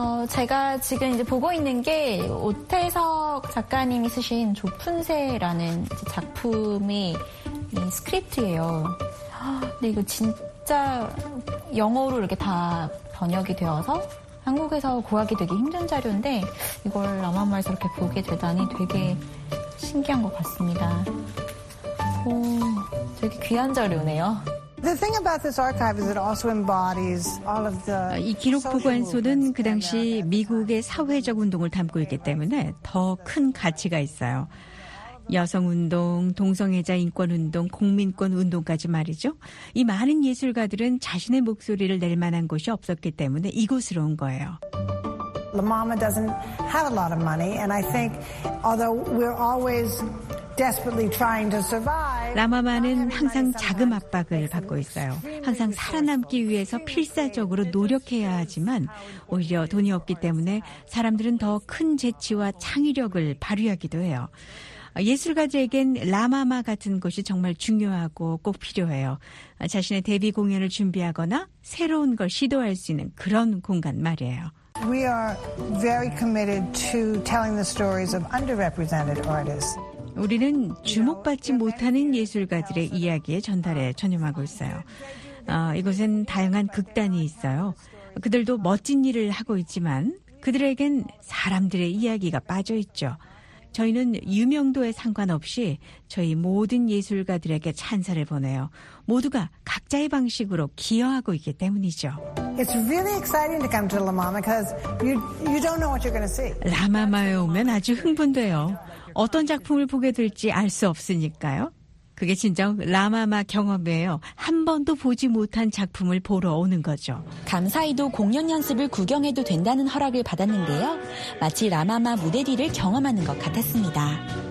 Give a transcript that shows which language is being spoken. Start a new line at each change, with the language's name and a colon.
Korean: 제가 지금 이제 보고 있는 게 오태석 작가님이 쓰신 조푼새라는 작품의 스크립트예요. 근데 이거 진짜 영어로 이렇게 다 번역이 되어서 한국에서 구하기 되게 힘든 자료인데 이걸 라마마에서 이렇게 보게 되다니 되게 신기한 것 같습니다. 오, 되게 귀한 자료네요.
English: The thing about this archive is it also embodies all of the.
Korean: 이 기록 보관소는 그 당시 미국의 사회적 운동을 담고 있기 때문에 더 큰 가치가 있어요. 여성 운동, 동성애자 인권 운동, 국민권 운동까지 말이죠. 이 많은 예술가들은 자신의 목소리를 낼 만한 곳이 없었기 때문에 이곳으로 온 거예요.
English: La Mama doesn't have a lot of money, and I think although we're always desperately trying to survive.
Korean: 라마마는 항상 자금 압박을 받고 있어요. 항상 살아남기 위해서 필사적으로 노력해야 하지만 오히려 돈이 없기 때문에 사람들은 더 큰 재치와 창의력을 발휘하기도 해요. 예술가들에겐 라마마 같은 곳이 정말 중요하고 꼭 필요해요. 자신의 데뷔 공연을 준비하거나 새로운 걸 시도할 수 있는 그런 공간 말이에요.
English: We are very committed to telling the stories of underrepresented artists.
Korean: 우리는 주목받지 못하는 예술가들의 이야기에 전달에 전념하고 있어요. 이곳엔 다양한 극단이 있어요. 그들도 멋진 일을 하고 있지만 그들에겐 사람들의 이야기가 빠져있죠. 저희는 유명도에 상관없이 저희 모든 예술가들에게 찬사를 보내요. 모두가 각자의 방식으로 기여하고 있기 때문이죠.
English: It's really exciting to come to La Mama because you don't know what you're going to see.
Korean: 라마마에 오면 아주 흥분돼요. 어떤 작품을 보게 될지 알 수 없으니까요. 그게 진정 라마마 경험이에요. 한 번도 보지 못한 작품을 보러 오는 거죠. 감사히도 공연 연습을 구경해도 된다는 허락을 받았는데요. 마치 라마마 무대 뒤를 경험하는 것 같았습니다.